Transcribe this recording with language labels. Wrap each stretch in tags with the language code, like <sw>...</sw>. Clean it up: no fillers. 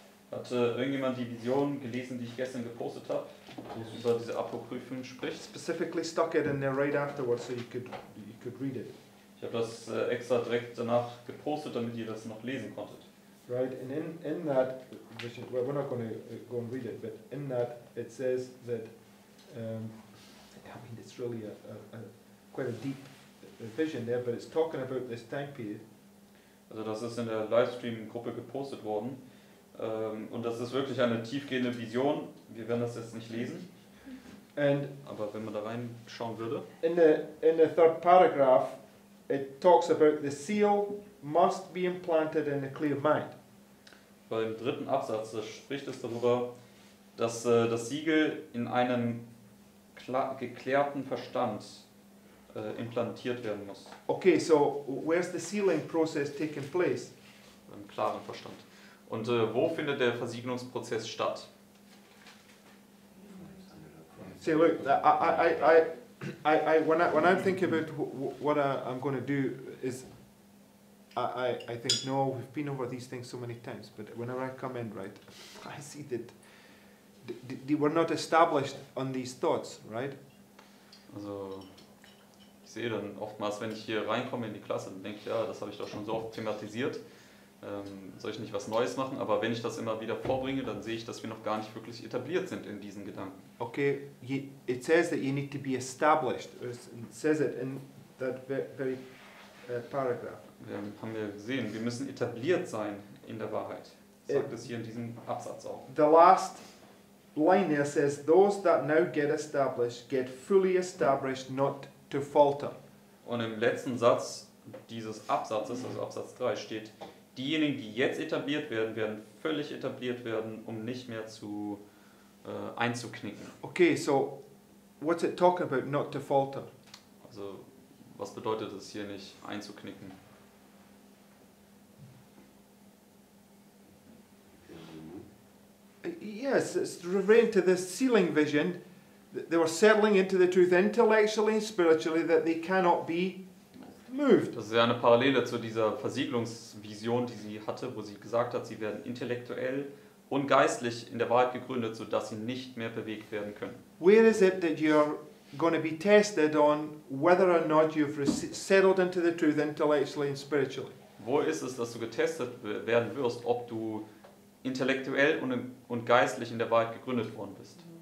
<de>Hat irgendjemand die Vision gelesen, die ich gestern gepostet habe? über diese Apokryphen spricht.</de> <en>Specifically stuck it in there right afterwards, so you could read it.</en> <de>Ich habe das extra direkt danach gepostet, damit ihr das noch lesen konntet.</de> <en>Right, and in that vision, well, we're not going to go and read it, but in that it says that, it's really quite a deep vision there, but it's talking about this time period.</en> <de>Also das ist in der Livestream-Gruppe gepostet worden, und das ist wirklich eine tiefgehende Vision. Wir werden das jetzt nicht lesen,</de> <en>and</en> <de>aber wenn man da reinschauen würde.</de> <en>In the third paragraph, it talks about the seal must be implanted in a clear mind.</en> <de>Beim dritten Absatz spricht es darüber, dass das Siegel in einem geklärten Verstand implantiert werden muss.</de> <en>Okay, so where's the sealing process taking place?</en> <de>Im klaren Verstand. Und wo findet der Versiegelungsprozess statt?</de> <en>See, look, when I think about what I'm going to do is, I think, no, we've been over these things so many times, but whenever I come in, right, I see that they were not established on these thoughts, right?</en> <de>Also, ich sehe dann oftmals, wenn ich hier reinkomme in die Klasse, dann denke ich, ja, das habe ich doch schon so oft thematisiert, soll ich nicht was Neues machen? Aber wenn ich das immer wieder vorbringe, dann sehe ich, dass wir noch gar nicht wirklich etabliert sind in diesen Gedanken.</de> <en>Okay, it says that you need to be established. It says it in that very paragraph.</en> <de>Wir haben wir gesehen, wir müssen etabliert sein in der Wahrheit. Sagt es hier in diesem Absatz auch.</de> <en>The last line there says, those that now get fully established not to falter.</en> <de>Und im letzten Satz dieses Absatzes, also Absatz 3, steht, diejenigen, die jetzt etabliert werden, werden völlig etabliert werden, um nicht mehr zu einzuknicken.</de> <en>Okay, so what's it talking about, not to falter?</en> <de>Also, was bedeutet es hier nicht einzuknicken?</de> <en>Yes, it's referring to this ceiling vision. They were settling into the truth intellectually and spiritually that they cannot be moved.</en> <de>Das ist ja eine Parallele zu dieser Versiegelungsvision, die sie hatte, wo sie gesagt hat, sie werden intellektuell und geistlich in der Wahrheit gegründet, sodass sie nicht mehr bewegt werden können.</de> <en>Where is it that you're going to be tested on whether or not you've settled into the truth intellectually and spiritually?</en> <de>Wo ist es, dass du getestet werden wirst, ob du intellektuell und geistlich in der Wahrheit gegründet worden bist?</de>